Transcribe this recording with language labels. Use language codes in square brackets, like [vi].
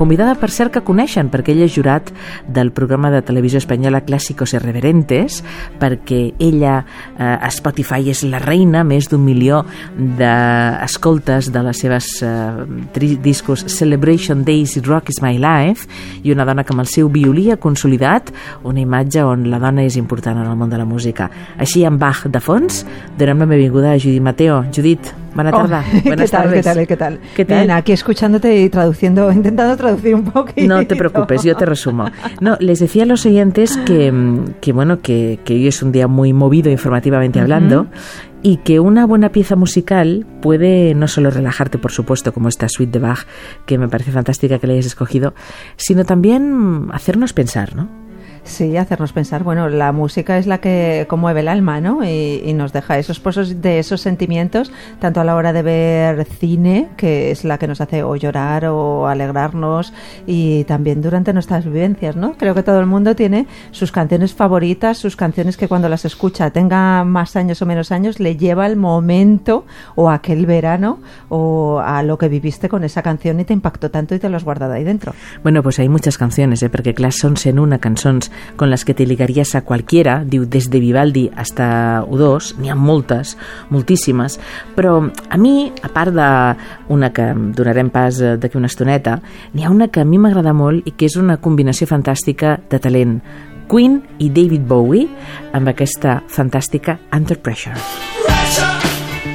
[ca] Convidada, per cert, que coneixen, perquè ella és jurat del programa de televisió espanyola Clàssicos Irreverentes, perquè ella a Spotify és la reina, més d'un milió d'escoltes de les seves discos Celebration Days i Rock is My Life, i una dona que amb el seu violí ha consolidat una imatge on la dona és important en el món de la música. Així, amb Bach de fons, donem la benvinguda a Judith Mateo. Judith, bona tarda. [es] ¿Qué tal? Bien, aquí escuchándote y traduciendo, intentando traducir un poquito. No te preocupes, yo te resumo. No, les decía a los oyentes que hoy es un día muy movido informativamente hablando, y que una buena pieza musical puede no solo relajarte, por supuesto, como esta suite de Bach, que me parece fantástica que la hayas escogido, sino también hacernos pensar, ¿no? Sí, hacernos pensar. Bueno, la música es la que conmueve el alma, ¿no? Y nos deja esos pozos de esos sentimientos, tanto a la hora de ver cine, que es la que nos hace o llorar o alegrarnos, y también durante nuestras vivencias, ¿no? Creo que todo el mundo tiene sus canciones favoritas, sus canciones que cuando las escucha, tenga más años o menos años, le lleva al momento o aquel verano o a lo que viviste con esa canción y te impactó tanto y te lo has guardado ahí dentro. Bueno, pues hay muchas canciones, ¿eh? Porque clar, son en una canción con las que te ligarías a cualquiera, [ca] diu, des de Vivaldi hasta U2, n'hi ha moltes, moltíssimes, però a mi, a part d'una que donarem pas d'aquí una estoneta, n'hi ha una que a mi m'agrada molt i que és una combinació fantàstica de talent, Queen i David Bowie, amb aquesta fantàstica Under Pressure.